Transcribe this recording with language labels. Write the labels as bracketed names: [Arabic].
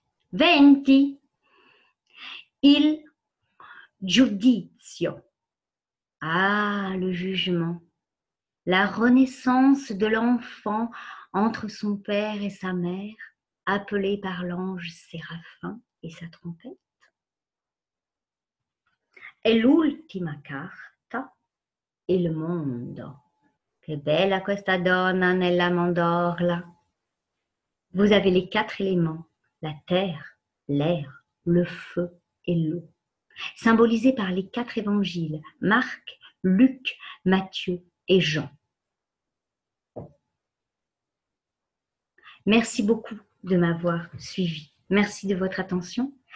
[Italian] Venti. Il giudizio. [French] Ah, le jugement. La renaissance de l'enfant entre son père et sa mère, appelé par l'ange Séraphin et sa trompette. [Italian] Et l'ultima carta, il mondo. Che bella questa donna nella mandorla. [French] Vous avez les quatre éléments, la terre, l'air, le feu et l'eau, symbolisés par les quatre évangiles, Marc, Luc, Matthieu et Jean. Merci beaucoup de m'avoir suivi. Merci de votre attention.